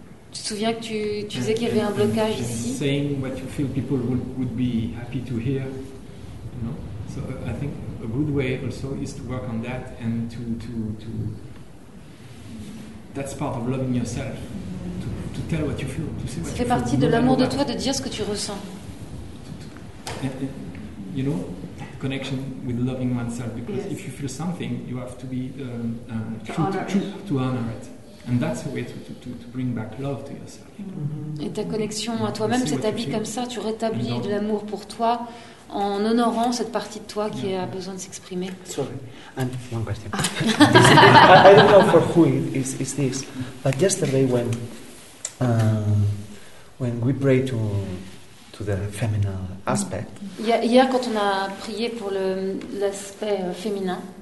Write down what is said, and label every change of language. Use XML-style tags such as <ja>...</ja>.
<fr>Tu te souviens que tu disais qu'il y avait un blocage ici?</fr> <en>Saying what you feel, people would be happy to hear. You know? So I think a good way also is to work on that and to That's part of loving yourself, to tell what you feel, to say what you</en> <fr>Fait partie de l'amour de toi de dire ce que tu ressens.</fr> <en>You know, connection with loving oneself, because yes. If you feel something, you have to be to honor it. And that's a way to bring back love to yourself. Mm-hmm.</en> <fr>Et ta connexion à toi-même, cet habit comme ça, tu rétablis de l'amour pour toi en honorant cette partie de toi qui a besoin de s'exprimer.</fr> <en>Sorry, and one question. I don't know for who it is this, but yesterday when we pray to the feminine aspect.</en> <fr>Hier, quand on a prié pour l'aspect féminin.</fr>